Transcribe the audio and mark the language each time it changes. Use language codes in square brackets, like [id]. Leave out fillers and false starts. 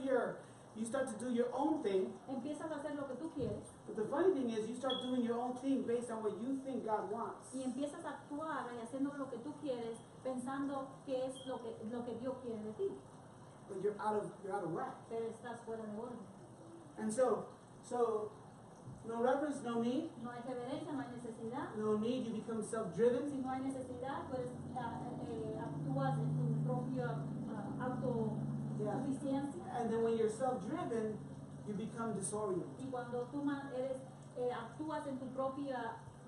[en] And you start to do your own thing. [es] Empiezas a hacer lo que tú quieres. [en] But the funny thing is, you start doing your own thing based on what you think God wants. [es] Y empiezas a actuar y haciendo lo que tú quieres, pensando que es lo que Dios quiere de ti. [en] But you're out of whack. [es] Pero estás fuera de orden. [en] And so, no reverence, no need. [es] No hay reverencia, no hay necesidad. [en] No need, you become self-driven. [es] Si no hay necesidad, pues actúas en tu propia autosuficiencia. [en] Yeah. And then when you're self-driven, you become disoriented. [es] Y cuando tú eres actúas en tu propia